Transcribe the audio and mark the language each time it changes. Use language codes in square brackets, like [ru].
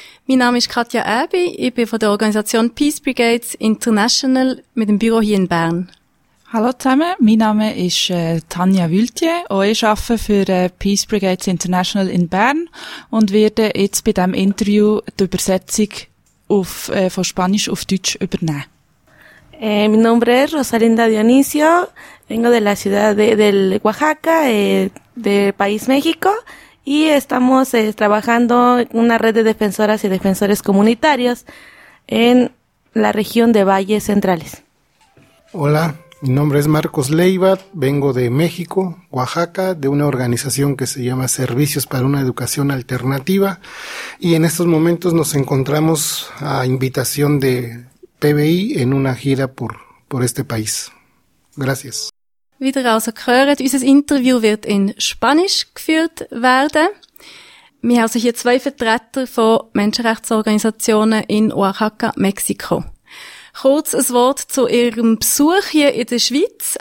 [de] Mein Name ist Katja Erbi, ich bin von der Organisation Peace Brigades International mit dem Büro hier in Bern. Hallo zusammen, mein Name ist Tanja Wültje und ich arbeite für Peace Brigades International in Bern und werde jetzt bei diesem Interview die Übersetzung von Spanisch auf Deutsch übernehmen. [es] Mi nombre es Rosalinda Dionisio, vengo de la ciudad de Oaxaca, del país México, y estamos trabajando en una red de defensoras y defensores comunitarios en la región de Valles Centrales. Hola, mi nombre es Marcos Leiva, vengo de México, Oaxaca, de una organización que se llama Servicios para una Educación Alternativa, y en estos momentos nos encontramos a invitación de PBI en una gira por este país. Gracias. [de] Wie ihr also gehört, unser Interview wird in Spanisch geführt werden. Wir haben also hier zwei Vertreter von Menschenrechtsorganisationen in Oaxaca, Mexiko. Kurz ein Wort zu ihrem Besuch hier in der Schweiz.